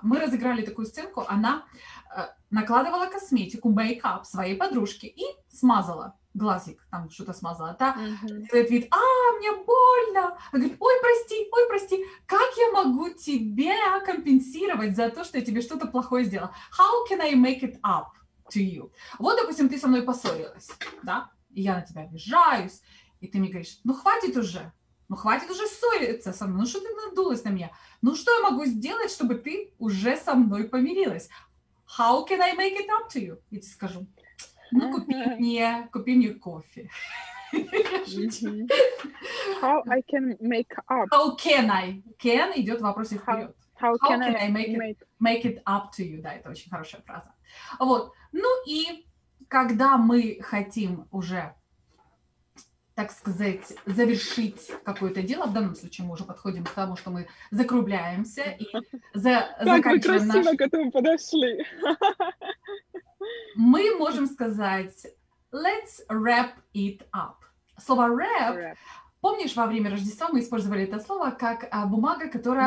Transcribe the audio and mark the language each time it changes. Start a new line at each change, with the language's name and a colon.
Russian: Мы разыграли такую сценку. Она накладывала косметику, мейкап своей подружке и смазала глазик. Там что-то смазала. Та говорит, мне больно. Она говорит, ой, прости. Как я могу тебе компенсировать за то, что я тебе что-то плохое сделала?
English: How can I make it up to you?
Russian: Вот, допустим, ты со мной поссорилась, да? И я на тебя обижаюсь. И ты мне говоришь, хватит уже ссориться со мной, ну что ты надулась на меня? Ну что я могу сделать, чтобы ты уже со мной помирилась? How can I make it up to you? Я тебе скажу, ну купи мне кофе.
English: How I can make up? How can I?
Russian: Can идет в вопросе вперед.
English: How can I make it up to you?
Russian: Да, это очень хорошая фраза. Вот, ну и когда мы хотим уже, так сказать, завершить какое-то дело. В данном случае мы уже подходим к тому, что мы закругляемся и заканчиваем наш... Так, мы красиво к этому подошли. Мы можем сказать
English: «Let's wrap it up».
Russian: Слово «wrap», помнишь, во время Рождества мы использовали это слово как бумага, которая...